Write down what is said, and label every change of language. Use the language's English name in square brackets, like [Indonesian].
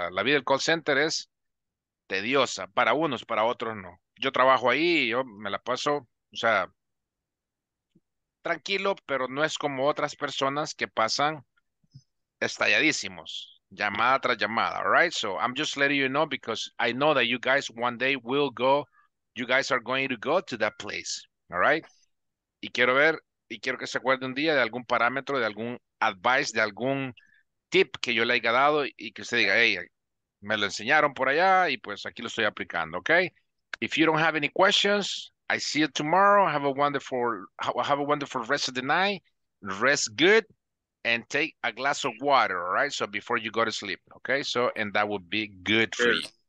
[Spanish] La vida del call center es tediosa, para unos, para otros no. Yo trabajo ahí, yo me la paso, o sea, tranquilo, pero no es como otras personas que pasan estalladísimos, llamada tras llamada, all right? [English] So, I'm just letting you know because I know that you guys one day will go, you guys are going to go to that place, all right? [Spanish] Y quiero ver, y quiero que se acuerde un día de algún parámetro, de algún advice, de algún tip que yo le haya dado y que usted diga, hey, me lo enseñaron por allá y pues aquí lo estoy aplicando, okay? [English] If you don't have any questions, I see you tomorrow. Have a wonderful rest of the night. Rest good and take a glass of water, all right? So before you go to sleep, okay? So, and that would be good for you.